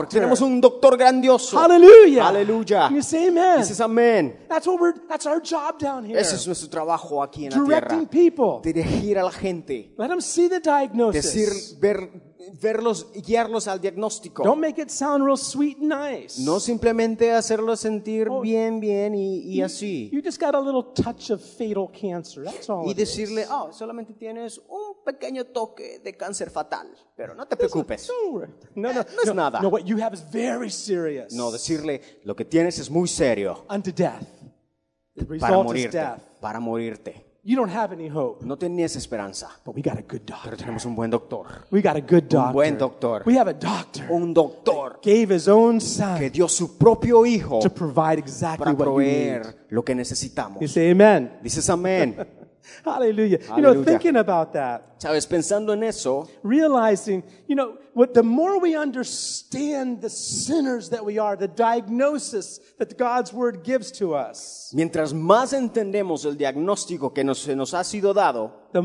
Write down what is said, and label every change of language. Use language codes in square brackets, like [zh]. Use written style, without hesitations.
[es] Porque tenemos un doctor grandioso. [en] Hallelujah. Hallelujah. You say amen. [es] Dices amén. [en] That's our job down here. [es] Ese es nuestro trabajo aquí en [en] directing [es] la tierra. [en] Directing people. [es] Dirigir a la gente. [en] Let them see the diagnosis. [es] Decir ver. Verlos, guiarlos al diagnóstico. [en] Don't make it sound real sweet and nice. [es] No simplemente hacerlos sentir bien, bien y así. [en] You just got a little touch of fatal cancer. That's all. [es] Y decirle, oh, solamente tienes un pequeño toque de cáncer fatal. Pero no te preocupes. No, es nada. [en] No, what you have is very serious. [es] No, decirle, lo que tienes es muy serio. [en] Unto death. [es] Para morirte. Para morirte. [en] You don't have any hope. [es] No tenías esperanza. [en] But we got a good doctor. [es] Pero tenemos un buen doctor. [en] We got a good doctor. [es] Un buen doctor. [en] We have a doctor. [es] Un doctor. [en] That gave his own son. [es] Que dio su propio hijo. [en] To provide exactly [es] para [en] what we need. [es] Lo que necesitamos. [en] You say amen. [es] Dices amén. [en] Hallelujah. Hallelujah. You know, thinking about that. [es] Sabes, pensando en eso. [en] Realizing, you know, what the more we understand the sinners that we are, the diagnosis that God's word gives to us. [es] Mientras más entendemos el diagnóstico que nos ha sido dado,